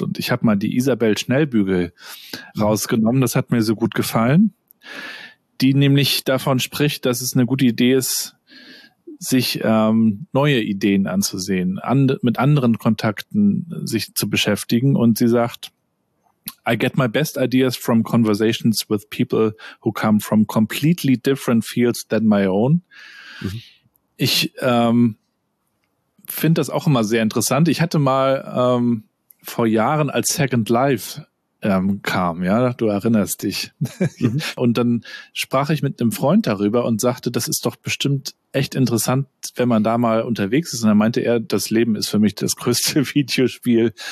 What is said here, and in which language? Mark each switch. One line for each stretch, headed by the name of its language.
German: Und ich habe mal die Isabel Schnellbügel rausgenommen, das hat mir so gut gefallen, die nämlich davon spricht, dass es eine gute Idee ist, sich neue Ideen anzusehen, mit anderen Kontakten sich zu beschäftigen. Und sie sagt,
English: I get my best ideas from conversations with people who come from completely different fields than my own. Mhm.
German: Ich finde das auch immer sehr interessant. Ich hatte mal vor Jahren als Second Life kam, ja, du erinnerst dich. Mhm. Und dann sprach ich mit einem Freund darüber und sagte, das ist doch bestimmt echt interessant, wenn man da mal unterwegs ist. Und dann meinte er, das Leben ist für mich das größte Videospiel.